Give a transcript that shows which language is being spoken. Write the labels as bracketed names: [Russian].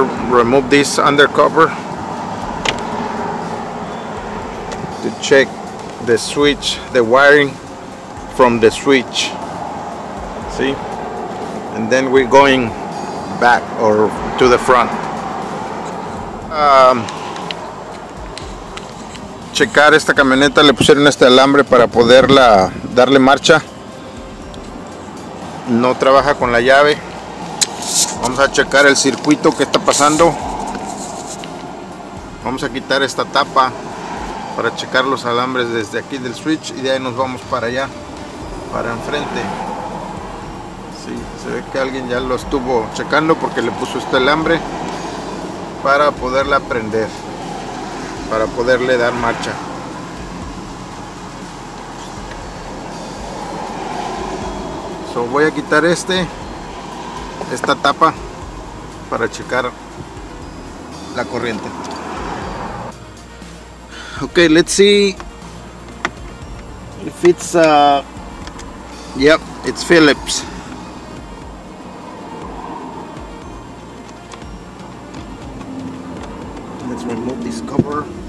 [English] Remove this undercover to check the switch, the wiring from the switch. See? And then we're going back or to the front. [Spanish] Checar esta camioneta, le pusieron este alambre para poderla darle marcha. No trabaja con la llave. Vamos a checar el circuito que está pasando. Vamos a quitar esta tapa para checar los alambres desde aquí del switch y de ahí nos vamos para allá, para enfrente. Sí, se ve que alguien ya lo estuvo checando porque le puso este alambre para poderla prender, para poderle dar marcha. So voy a quitar esta tapa para checar la corriente. [English] Okay, let's see if it's yep, it's Phillips. Let's remove this cover.